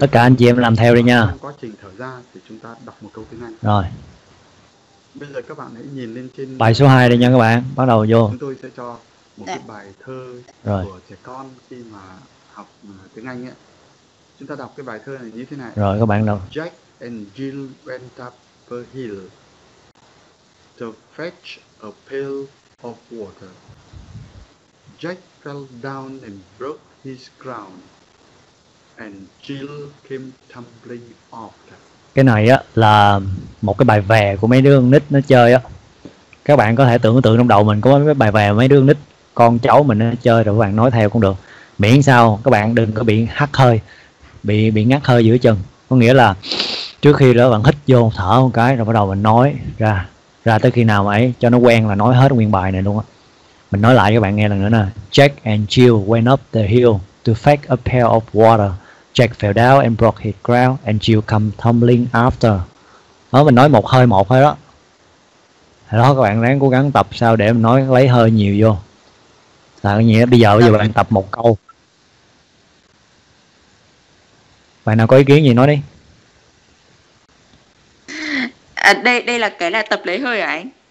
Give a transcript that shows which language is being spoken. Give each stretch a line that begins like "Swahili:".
Vietnamese: Tất cả anh chị em làm theo đi nha. Trong quá trình thở ra thì chúng ta đọc một câu tiếng Anh. Rồi. Bây giờ các bạn hãy nhìn lên trên bài số 2 đi nha các bạn, bắt đầu vô. Chúng tôi sẽ cho một cái bài thơ rồi của trẻ con khi mà học tiếng Anh ấy. Chúng ta đọc cái bài thơ này như thế này. Rồi các bạn đọc.
English: Jack and Jill went up a hill to fetch a pail of water. Jack fell down and broke his crown, and Jill came tumbling after.
Vietnamese: Cái này á là một cái bài vè của mấy đứa con nít nó chơi á. Các bạn có thể tưởng tượng trong đầu mình có mấy bài vè mấy đứa con nít con cháu mình nó chơi, rồi các bạn nói theo cũng được. Miễn sao các bạn đừng có bị hắt hơi, bị ngắt hơi giữa chừng. Có nghĩa là trước khi đó bạn hít vô thở một cái rồi bắt đầu mình nói ra. Ra tới khi nào mà ấy cho nó quen là nói hết nguyên bài này luôn á. Mình nói lại cho các bạn nghe lần nữa nè.
English: Jack and Jill went up the hill to fetch a pail of water. Jack fell down and broke his crown, and Jill come tumbling after.
Vietnamese: Đó, mình nói một hơi đó. Đó, các bạn ráng cố gắng tập sao để mình nói lấy hơi nhiều vô. Là cái nghĩa bây giờ bạn tập một câu. Bạn nào có ý kiến gì nói đi. À, đây là cái là tập lấy hơi hả anh?